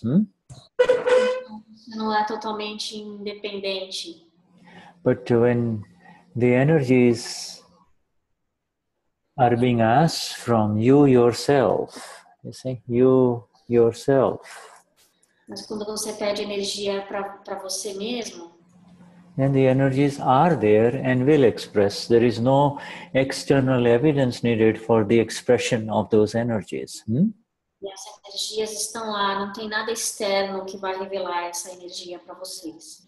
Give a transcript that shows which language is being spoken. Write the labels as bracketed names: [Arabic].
[Portuguese] Hmm? Não é totalmente independente. [English] But when the energies are being asked from you yourself, you say you yourself. [Portuguese] Mas quando você pede energia para você mesmo, [English] then the energies are there and will express. There is no external evidence needed for the expression of those energies. Hmm? [Portuguese] As energias estão lá, não tem nada externo que vai revelar essa energia para vocês.